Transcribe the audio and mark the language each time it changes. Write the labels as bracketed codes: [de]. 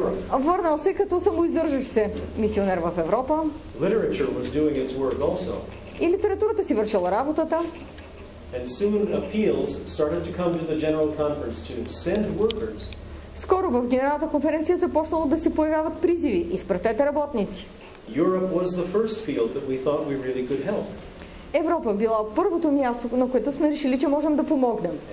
[bg] Върнал се като самоиздържащ се мисионер в Европа. [en] Literature was doing its work also. [bg] И литературата си вършила работата. [en] And soon appeals started to come to the General Conference to send workers. [bg] Скоро в Генералната конференция започнало да се появяват призиви. Изпратете работници. [en] Europe was the first field that we thought we really could help. [bg] Европа била първото място, на което сме решили, че можем да помогнем.